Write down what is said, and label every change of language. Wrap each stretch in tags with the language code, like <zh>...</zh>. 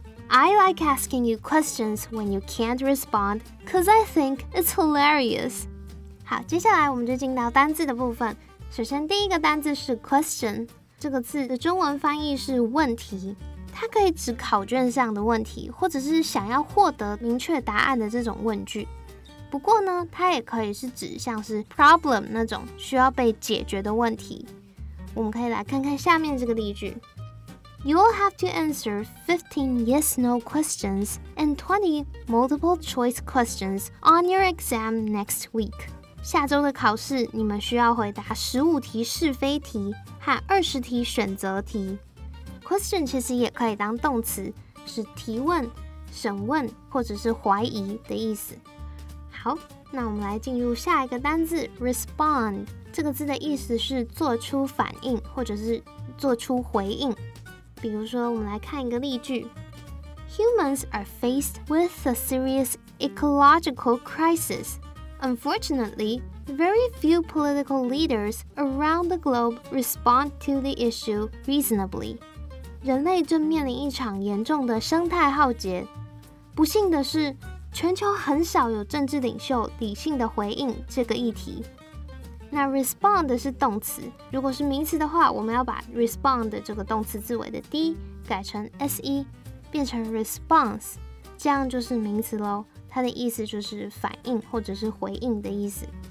<en>I like asking you questions when you can't respond, cause I think it's hilarious.</en> <zh>好，接下来我们就进到单字的部分。首先第一个单字是 question， 这个字的中文翻译是问题，它可以指考卷上的问题，或者是想要获得明确答案的这种问句。不过呢，它也可以是指像是 problem 那种需要被解决的问题。我们可以来看看下面这个例句。</zh> <en>You'll have to answer 15 yes-no questions and 20 multiple choice questions on your exam next week.</en> <zh>下周的考试，你们需要回答15题是非题和20题选择题。 Question 其实也可以当动词，是提问、审问或者是怀疑的意思。好，那我们来进入下一个单字 respond。这个字的意思是做出反应或者是做出回应。比如说，我们来看一个例句。</zh> <en>Humans are faced with a serious ecological crisis. Unfortunately, very few political leaders around the globe respond to the issue reasonably.</en> <zh>人类正面临一场严重的生态浩劫。不幸的是，全球很少有政治领袖理性的回应这个议题。那 respond 是动词，如果是名词的话，我们要把 respond 这个动词字尾的 d 改成 se， 变成 response， 这样就是名词咯，它的意思就是反应或者是回应的意思。</zh>